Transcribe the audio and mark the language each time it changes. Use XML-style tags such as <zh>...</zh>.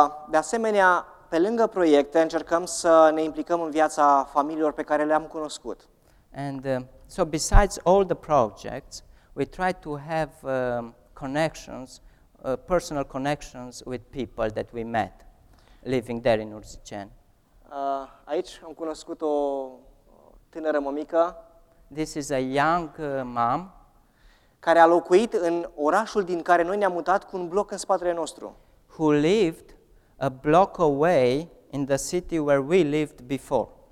<ro>De asemenea, pe lângă proiecte, încercăm să ne implicăm în viața familiilor pe care le-am cunoscut.</ro> <en>And so besides all the projects, we try to have connections, personal connections with people that we met living there in Urzicen.</en> <ro>Aici am cunoscut o tânără mămică.</ro> <en>This is a young mom</en> <ro>care a locuit în orașul din care noi ne-am mutat cu un bloc în spatele nostru.</ro> <en>Who lived a block away in the city where we lived before.</en>